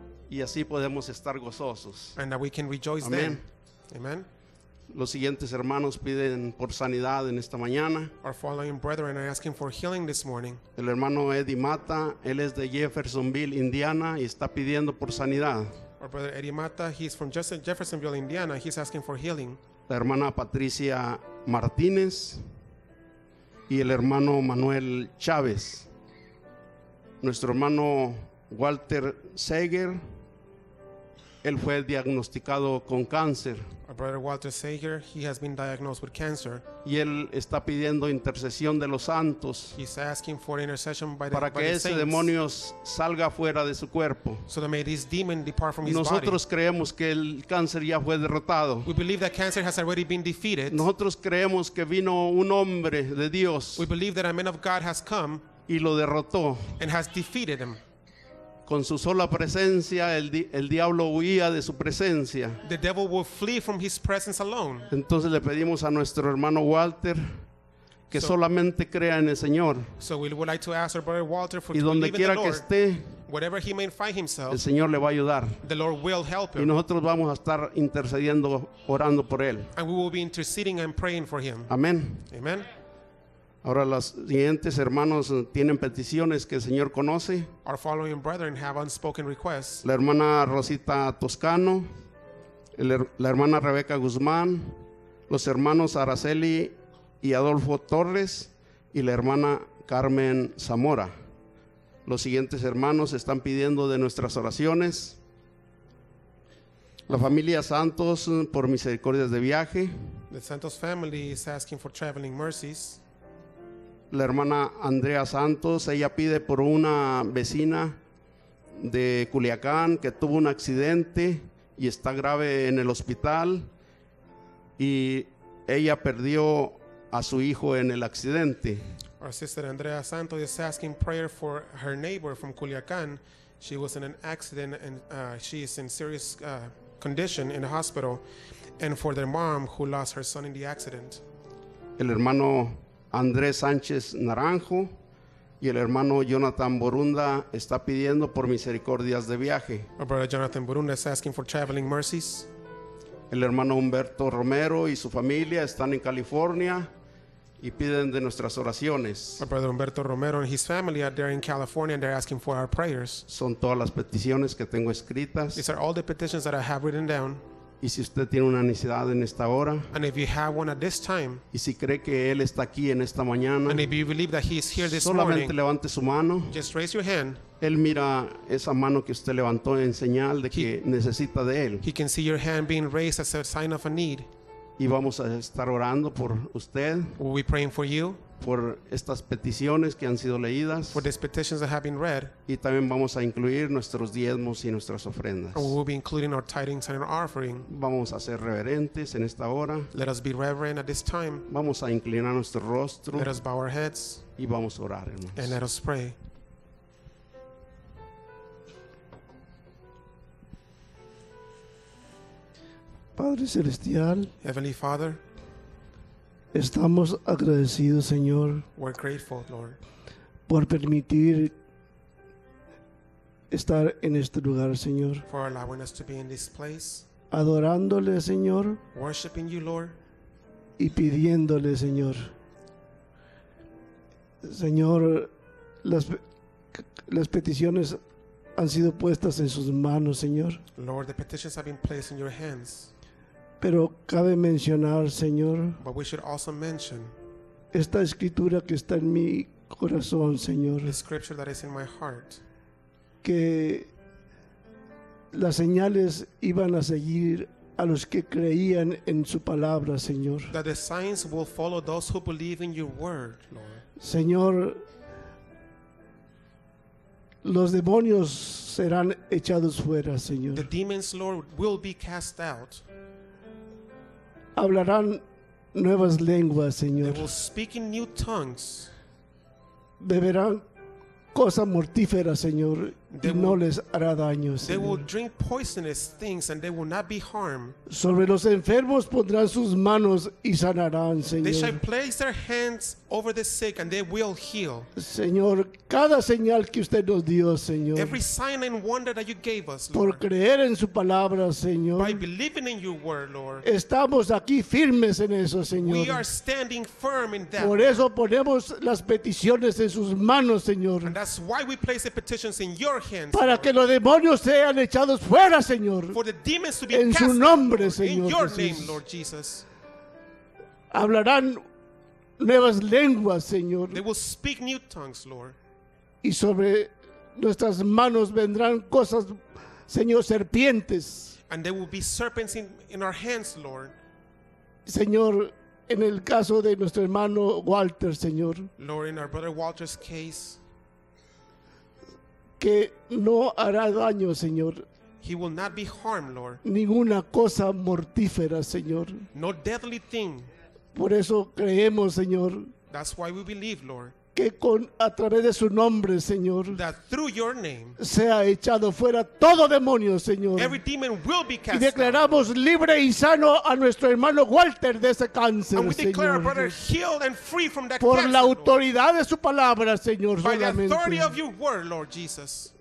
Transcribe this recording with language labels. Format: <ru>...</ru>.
<es>Y así podemos estar gozosos.</es> <en>And that we can rejoice then. Amen.</en> <es>Los siguientes hermanos piden por sanidad en esta mañana.</es> <en>Our following brethren are asking for healing this morning.</en> <es>El hermano Eddie Mata, él es de Jeffersonville, Indiana, y está pidiendo por sanidad.</es> <en>Our brother Eddie Mata, he's from Jeffersonville, Indiana. He's asking for healing.</en> <es>La hermana Patricia Martínez y el hermano Manuel Chávez. Nuestro hermano Walter Sager, él fue diagnosticado con cáncer.</es> <en>Our brother Walter Sager, he has been diagnosed with cancer.</en> <es>Y él está pidiendo intercesión de los santos.</es> <en>He's asking for intercession by the saints.</en> <es>Para que ese demonio salga fuera de su cuerpo.</es> <en>So that may this demon depart from his body.</en> <es>Nosotros creemos que el cáncer ya fue derrotado.</es> <en>We believe that cancer has already been defeated.</en> <es>Nosotros creemos que vino un hombre de Dios.</es> <en>We believe that a man of God has come.</en> <es>Y lo derrotó.</es> <en>And has defeated him.</en> <es>Con su sola presencia, el diablo huía de su presencia.</es> <en>The devil will flee from his presence alone.</en> <es>Entonces le pedimos a nuestro hermano Walter que solamente crea en el Señor.</es> <en>So we would like to ask our brother Walter for</en> <es>y donde quiera</es> <en>Lord,</en> <es>esté,</es> <en>wherever he may find himself,</en> <es>el Señor le va a ayudar.</es> <en>The Lord will help him.</en> <es>Y nosotros vamos a estar intercediendo, orando por él.</es> <en>And we will be interceding and praying for him.</en> <es>Amén.</es> <en>Amen.</en> <es>Ahora los siguientes hermanos tienen peticiones que el Señor conoce.</es> <en>Our following brethren have unspoken requests.</en> <es>La hermana Rosita Toscano, la hermana Rebeca Guzmán, los hermanos Araceli y Adolfo Torres y la hermana Carmen Zamora. Los siguientes hermanos están pidiendo de nuestras oraciones. La familia Santos por misericordias de viaje.</es> <en>The Santos family is asking for traveling mercies.</en> <es>La hermana Andrea Santos, ella pide por una vecina de Culiacán que tuvo un accidente y está grave en el hospital y ella perdió a su hijo en el accidente.</es> <en>Our sister Andrea Santos is asking prayer for her neighbor from Culiacán. She was in an accident and she is in serious condition in the hospital, and for their mom who lost her son in the accident.</en> <es>El hermano Andrés Sánchez Naranjo y el hermano Jonathan Borunda está pidiendo por misericordias de viaje.</es> <en>Our brother Jonathan Borunda is asking for traveling mercies.</en> <es>El hermano Humberto Romero y su familia están en California y piden de nuestras oraciones.</es> <en>Our brother Humberto Romero and his family are there in California and they're asking for our prayers.</en> <es>Son todas las peticiones que tengo escritas.</es> <en>These are all the petitions that I have written down.</en> <es>Y si usted tiene una necesidad en esta hora,</es> <en>and if you have one at this time,</en> <es>y si cree que él está aquí en esta mañana,</es> <en>and if you believe that he is here this</en> <es>solamente</es> <en>morning,</en> <es>levante su mano.</es> <en>Just raise your hand.</en> <es>Él mira esa mano que usted levantó en señal de que necesita de él.</es> <en>He can see your hand being raised as a sign of a need.</en> <es>Y vamos a estar orando por usted.</es> <en>We'll be praying for you.</en> <es>Por estas peticiones que han sido leídas.</es> <en>For these petitions that have been read.</en> <es>Y también vamos a incluir nuestros diezmos y nuestras ofrendas.</es> <en>And we'll be including our tithings and our offering.</en> <es>Vamos a ser reverentes en esta hora.</es> <en>Let us be reverent at this time.</en> <es>Vamos a inclinar nuestro rostro.</es> <en>Let us bow our heads.</en> <es>Y vamos a orar, hermanos.</es> <en>And let us pray.</en> <es>Padre Celestial.</es> <en>Heavenly Father.</en> <es>Estamos agradecidos, Señor.</es> <en>We're grateful, Lord.</en> <es>Por permitir estar en este lugar, Señor.</es> <en>For allowing us to be in this place.</en> <es>adorándole, Señor,</es> <en>worshiping you, Lord,</en> <es>y pidiéndole, Señor. Señor, las peticiones han sido puestas en sus manos, Señor.</es> <en>Lord, the petitions have been placed in your hands.</en> <es>Pero cabe mencionar, Señor,</es> <en>but we should also mention</en> <es>esta escritura que está en mi corazón, Señor.</es> <en>The scripture that is in my heart.</en> <es>Que las señales iban a seguir a los que creían en su palabra, Señor.</es> <en>That the signs will follow those who believe in your word, Lord.</en> <es>Señor, los demonios serán echados fuera, Señor.</es> <en>The demons, Lord, will be cast out.</en> <es>Hablarán nuevas lenguas, Señor.</es> <en>They will speak in new tongues.</en> <es>Beberán cosas mortíferas, Señor, y no les hará daño, Señor.</es> <en>They will drink poisonous things and they will not be harmed.</en> <es>Sobre los enfermos pondrán sus manos y sanarán, Señor.</es> <en>They shall place their hands over the sick and they will heal.</en> <es>Señor, cada señal que usted nos dio, Señor.</es> <en>Every sign and wonder that you gave us, Lord.</en> <es>Por creer en su palabra, Señor.</es> <en>By believing in your word, Lord.</en> <es>Estamos aquí firmes en eso, Señor.</es> <en>We are standing firm in that.</en> <es>Por eso ponemos las peticiones en sus manos, Señor.</es> <en>And that's why we place the petitions in your hands.</en> <es>Para que los demonios sean echados fuera, Señor.</es> <en>For the demons to be</en> <es>en su nombre, Señor.</es> <en>In your name, Lord Jesus.</en> <es>Hablarán nuevas lenguas, Señor.</es> <en>They will speak new tongues, Lord.</en> <es>Y sobre nuestras manos vendrán cosas, Señor, serpientes.</es> <en>And there will be serpents in our hands, Lord.</en> <es>Señor, en el caso de nuestro hermano Walter, Señor.</es> <en>Lord, in our brother Walter's case.</en> <es>Que no hará daño, Señor.</es> <en>He will not be harmed, Lord.</en> <es>Ninguna cosa mortífera, Señor.</es> <en>No deadly thing.</en> <es>Por eso creemos, Señor.</es> <en>That's why we believe, Lord.</en> <es>Que con a través de su nombre, Señor.</es> <en>That through your name.</en> <es>Sea echado fuera todo demonio, Señor.</es> <en>Every demon will be cast.</en> <es>Y declaramos</es> <en>out.</en> <es>Libre y sano a nuestro hermano Walter de ese cáncer,</es> <en>and we</en> <es>Señor.</es> <en>Declare our brother healed and free from that</en> <es>por</es> <en>cancer,</en> <es>la autoridad de su palabra, Señor,</es> <en>by</en> <es>solamente.</es> <en>By the authority of your word, Lord Jesus.</en>